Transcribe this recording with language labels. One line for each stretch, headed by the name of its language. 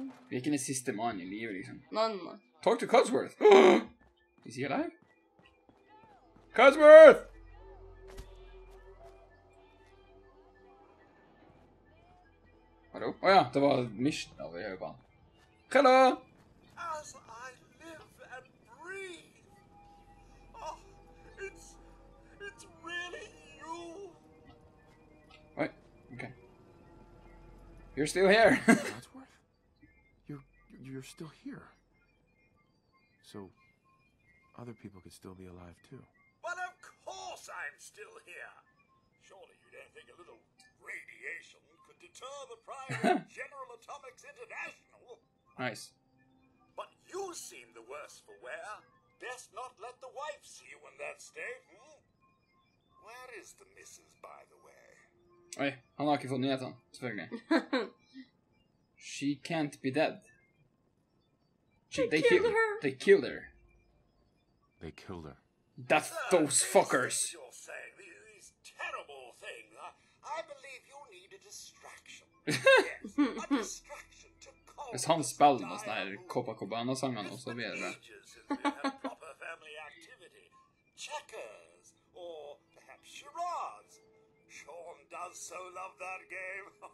Norwegian: Vi er ikke den siste mannen i livet, liksom. Nei.
English: Talk to Cosworth! Is he alive? Cosworth!
Norwegian: Hallo? Åja, det var mission over i høyepan. Hallo!
English: As I live and breathe, oh, it's really you. Wait, okay. You're still here. Cosworth, you're still here. So, other people could still be alive too. But of course I'm still here. Surely you don't think a little radiation could deter the prior General Atomics International. Nice. You seem the worse for wear. Best not let the wife see you in that state, hmm? Where is the missus, by the way?
Norwegian: Oi, han har ikke fått nyheten, selvfølgelig.
English: She can't be dead. They killed her. They killed her. That's those fuckers. You're saying these terrible things. I believe you need a distraction. Yes, a distraction.
Norwegian: Hvis han spiller noen sånne her Copacabana-sangene, så blir det
English: checkers, or perhaps charades. Sean does so love that game.